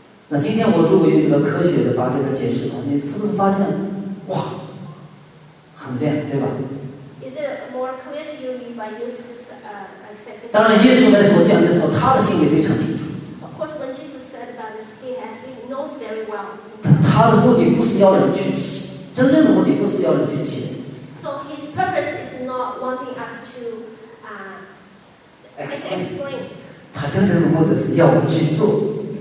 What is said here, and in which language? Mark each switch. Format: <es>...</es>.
<zh>那今天我如果用这个科学的把这个解释了，你是不是发现，哇，很亮，对吧？</zh> <en>Is it more clear to you if I use this accepted?</en> <zh>当然，耶稣在所讲的时候，他的心也非常清楚。</zh> <en>Of course, when Jesus said about this, he knows very well.</en> <zh>他的目的不是要人去解，真正的目的不是要人去解。</zh> <en>So his purpose is not wanting us to explain.</en> <zh>他真正的目的是要我去做。</zh>